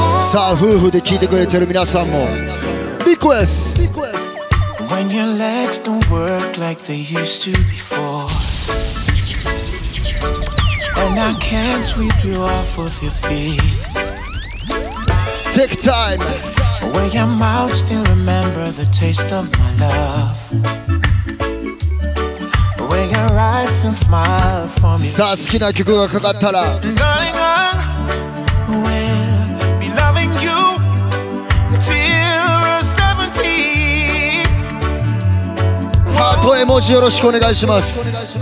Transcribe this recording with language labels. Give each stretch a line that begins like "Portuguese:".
Japanese: さあ夫婦で聞いてくれてる皆さんもリクエスト。
English: When your legs don't work like they used to before, and I can't sweep you off of your feet. Take time. Where your mouth still remember the taste of my love. Where your eyes still smile for me.
Japanese: さあ好きな曲がかかったら
English: Darling, I will be loving you till you're 17.
Japanese: ハート絵文字よろしくお願いします。